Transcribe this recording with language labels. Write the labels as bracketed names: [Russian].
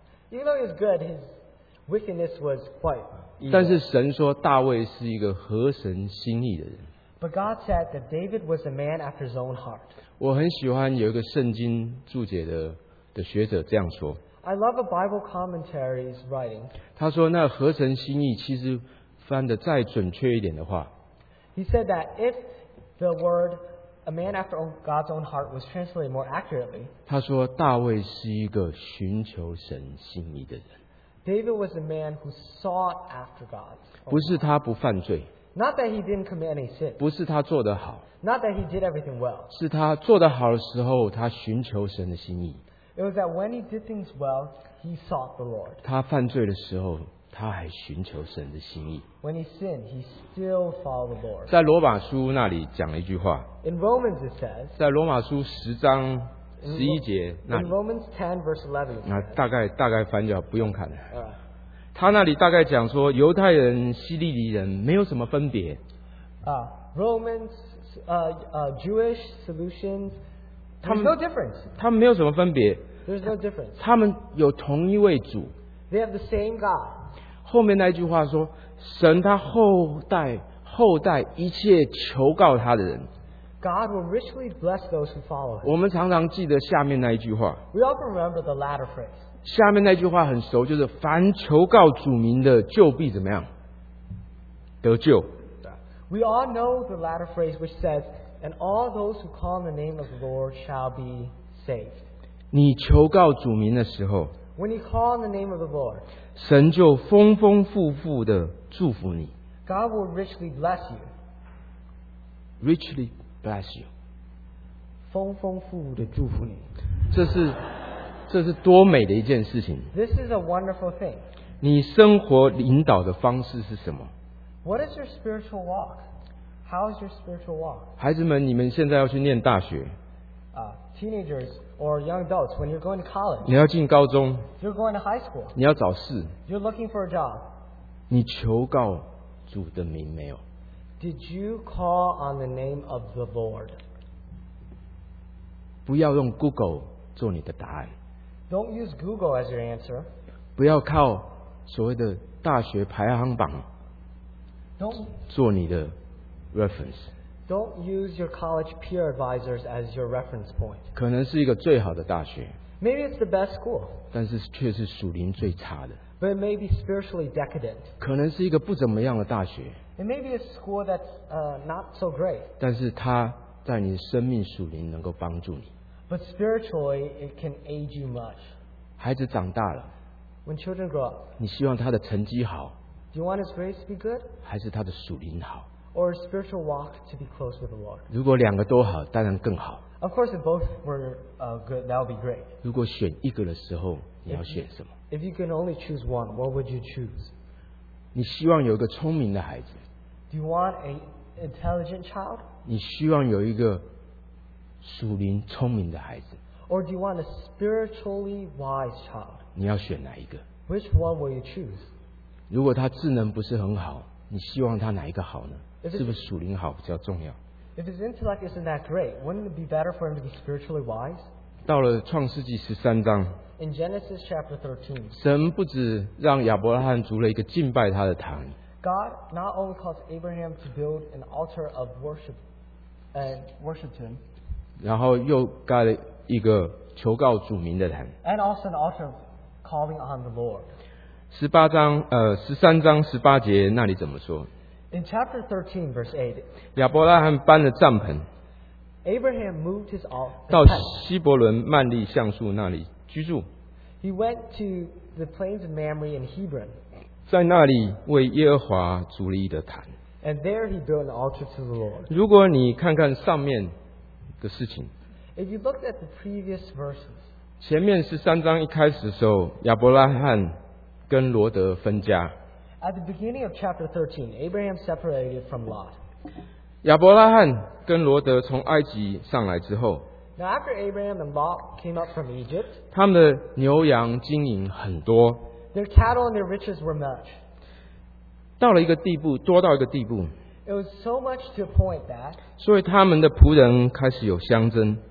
[English] Even though he was good, his wickedness was quite evil. [Chinese] 但是神说大卫是一个合神心意的人。 [English] But God said that David was a man after his own heart. [Chinese] 我很喜欢有一个圣经注解 的学者这样说。 [English] I love a Bible commentary's writing. [Chinese] 他说那合神心意其实翻得再准确一点的话。 [English] He said that if the word a man after God's own heart was translated more accurately. [Chinese] 他说大卫是一个寻求神心意的人。 [English] David was a man who sought after God's own heart. [Chinese] 不是他不犯罪。 [English] Not that he didn't commit any sin. [Chinese] 不是他做得好。 [English] Not that he did everything well. [Chinese] 是他做得好的时候，他寻求神的心意。 [English] It was that when he did things well, he sought the Lord. [Chinese] 他犯罪的时候，他还寻求神的心意。 [English] When he sinned, he still followed the Lord. [Chinese] 在罗马书那里讲了一句话。 [English] In Romans it says. [Chinese] 在罗马书十章十一节那里。 [English] In Romans 10 verse 11. [Chinese] 那大概翻就好，不用看了。他那里大概讲说，犹太人、希利尼人没有什么分别。 [English] Romans, Jewish, Salutians, there's no difference. [Chinese] 他们没有什么分别。 [English] There's no difference. [Chinese] 他们有同一位主。 [English] They have the same God. [Chinese] 后面那句话说，神他后代一切求告他的人。 [English] God will richly bless those who follow him. [Chinese] 我们常常记得下面那一句话。 [English] We often remember the latter phrase. [Chinese] 下面那句话很熟，就是凡求告主名的就必怎么样得救。 [English] We all know the latter phrase which says, "And all those who call on the name of the Lord shall be saved." [Chinese] 你求告主名的时候 [English] ，When you call on the name of the Lord, [Chinese] 神就丰丰富富的祝福你。 [English] God will richly bless you. Richly bless you. [Chinese] 丰丰富富的祝福你。这是多美的一件事情。 [English] This is a wonderful thing. [Chinese] 你生活领导的方式是什么？ [English] What is your spiritual walk? How is your spiritual walk? [Chinese] 孩子们，你们现在要去念大学。 [English] Teenagers or young adults, when you're going to college. [Chinese] 你要进高中。 [English] You're going to high school. [Chinese] 你要找事。 [English] You're looking for a job. [Chinese] 你求告主的名没有？ [English] Did you call on the name of the Lord? [Chinese] 不要用 Google 做你的答案。 [English] Don't use Google as your answer. [Chinese] 不要靠所谓的大学排行榜做你的 reference. [English] Don't use your college peer advisors as your reference point. [Chinese] 可能是一个最好的大学。 [English] Maybe it's the best school. [Chinese] 但是却是属灵最差的。 [English] But it may be spiritually decadent. [Chinese] 可能是一个不怎么样的大学。 [English] It may be a school that's not so great. [Chinese] 但是它在你生命属灵能够帮助你。 [English] But spiritually, it can aid you much. [Chinese] 孩子长大了。 [English] When children grow up, [Chinese] 你希望他的成绩好。 [English] Do you want his grades to be good? [Chinese] 还是他的属灵好。 [English] Or a spiritual walk to be close with the Lord. [Chinese] 如果两个都好，当然更好。 [English] Of course, if both were good, that would be great. [Chinese] 如果选一个的时候，你要选什么？ [English] If you can only choose one, what would you choose? [Chinese] 你希望有一个聪明的孩子。 [English] Do you want an intelligent child? [Chinese] 你希望有一个属灵聪明的孩子。 [English] Or do you want a spiritually wise child? [Chinese] 你要选哪一个？ [English] Which one will you choose? [Chinese] 如果他智能不是很好，你希望他哪一个好呢？是不是属灵好比较重要？ [English] If his intellect isn't that great, wouldn't it be better for him to be spiritually wise? [Chinese] 到了创世纪十三章。 [English] In Genesis chapter 13, [Chinese] 神不只让亚伯拉罕筑了一个敬拜他的坛。 [English] God not only caused Abraham to build an altar of worship and worship to him, [Chinese] 然后又盖了一个求告主名的坛。 [English] And also an altar of calling on the Lord. [Chinese] 十八章十三章十八节那里怎么说？ [English] In chapter 13, verse 8, [Chinese] 亚伯拉罕搬了帐篷。 [English] Abraham moved his altar [Chinese] 到希伯伦曼利橡树那里。居住。 [English] He went to the plains of Mamre in Hebron. [Chinese] 在那里为耶和华筑了一个坛。 [English] And there he built an altar to the Lord. [Chinese] 如果你看看上面的事情。 [English] If you looked at the previous verses. [Chinese] 前面是三章一开始的时候，亚伯拉罕跟罗德分家。 [English] At the beginning of chapter 13, Abraham separated from Lot. [Chinese] 亚伯拉罕跟罗德从埃及上来之后。 [English] Now after Abraham and Lot came up from Egypt, [Chinese] 他们的牛羊经营很多。 [English] Their cattle and their riches were much. [Chinese] 到了一个地步，多到一个地步。 [English] It was so much to a point that. [Chinese] 所以他们的仆人开始有相争。